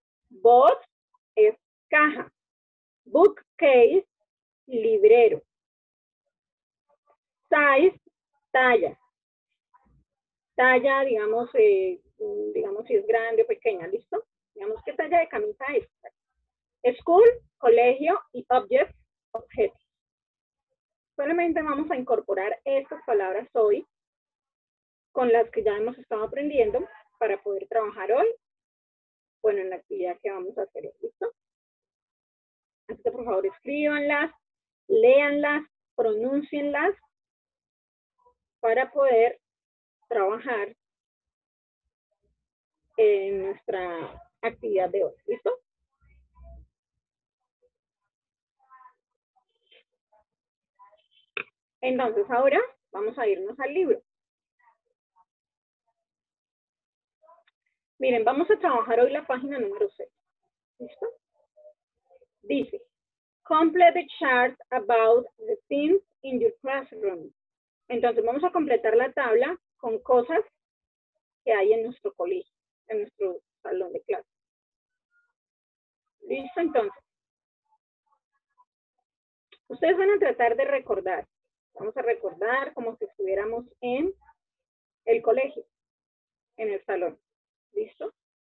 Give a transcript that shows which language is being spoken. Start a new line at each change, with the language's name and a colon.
Spanish: Box es caja. Bookcase, librero. Size, talla. Talla, digamos, digamos si es grande o pequeña, ¿listo? Digamos qué talla de camisa es. School, colegio y object, objeto. Solamente vamos a incorporar estas palabras hoy con las que ya hemos estado aprendiendo para poder trabajar hoy, bueno, en la actividad que vamos a hacer, ¿listo? Así que por favor escríbanlas, léanlas, pronúncienlas para poder trabajar en nuestra actividad de hoy, ¿listo? Entonces ahora vamos a irnos al libro. Miren, vamos a trabajar hoy la página número 6. ¿Listo? Dice,
English: complete the chart about the things in your classroom.
Spanish: Entonces vamos a completar la tabla con cosas que hay en nuestro colegio, en nuestro salón de clase. ¿Listo? Entonces, ustedes van a tratar de recordar. Vamos a recordar como si estuviéramos en el colegio, en el salón. ¿Listo?